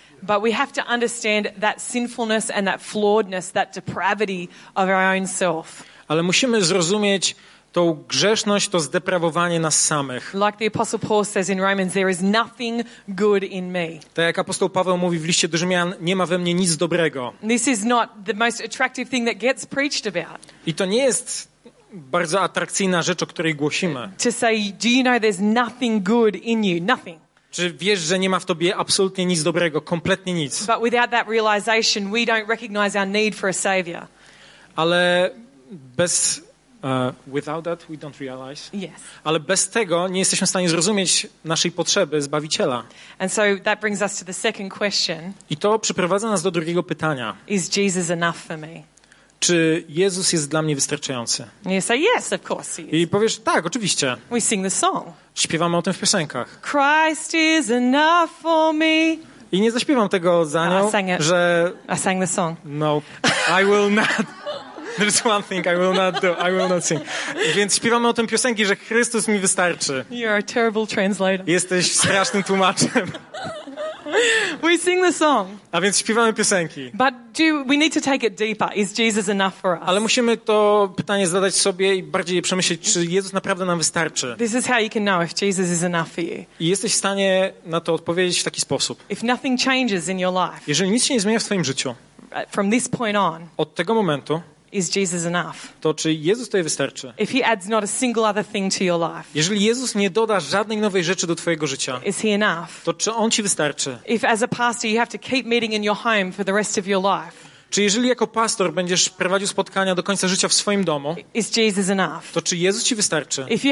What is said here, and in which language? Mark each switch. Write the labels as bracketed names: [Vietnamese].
[English] But we have to understand that sinfulness and that flawedness, that depravity of our own self. [Polish] Ale musimy zrozumieć tą grzeszność, to zdeprawowanie nas samych. [English] Like the Apostle Paul says in Romans, there is nothing good in me. [Polish] Tak jak apostoł Paweł mówi w liście do Rzymian, nie ma we mnie nic dobrego. [English] This is not the most attractive thing that gets preached about. [Polish] I to nie jest bardzo atrakcyjna rzecz, o której głosimy. [English] To say, do you know there's nothing good in you? Nothing. [Polish] Czy wiesz, że nie ma w tobie absolutnie nic dobrego, kompletnie nic? [English] But without that realization, we don't recognize our need for a savior. [Polish] Ale bez [English] without that we don't realize. Yes. [Polish] Ale bez tego nie jesteśmy w stanie zrozumieć naszej potrzeby Zbawiciela. [English] And so that brings us to the second question. [Polish] I to przyprowadza nas do drugiego pytania. [English] Is Jesus enough for me? [Polish] Czy Jezus jest dla mnie wystarczający? [English] You say, yes, of course he is. [Polish] I powiesz, tak, oczywiście. [English] We sing the song. [Polish] Śpiewamy o tym w piosenkach. [English] Christ is enough for me. [Polish] I nie zaśpiewam tego za nią, że [English] I sang the song. No, I will not. There's one thing I will not do. I will not sing. [Polish] Więc śpiewamy o tym piosenki, że Chrystus mi wystarczy. [English] You're a terrible translator. [Polish] Jesteś strasznym tłumaczem. [English] We sing the song. [Polish] A więc śpiewamy piosenki. [English] But we need to take it deeper. Is Jesus enough for us? [Polish] Ale musimy to pytanie zadać sobie i bardziej przemyśleć, czy Jezus naprawdę nam wystarczy. [English] This is how you can know if Jesus is enough for you. [Polish] I jesteś w stanie na to odpowiedzieć w taki sposób. [English] If nothing changes in your life. [Polish] Jeżeli nic się nie zmienia w twoim życiu. [English] From this point on. [Polish] Od tego momentu. [English] Is Jesus enough? [Polish] To czy Jezus tutaj wystarczy? [English] If he adds not a single other thing to your life. [Polish] Jeżeli Jezus nie doda żadnej nowej rzeczy do twojego życia. [English] Is he enough? [Polish] To czy on ci wystarczy? [English] If as a pastor you have to keep meeting in your home for the rest of your life. [Polish] Czy jeżeli jako pastor będziesz prowadził spotkania do końca życia w swoim domu, to czy Jezus ci wystarczy?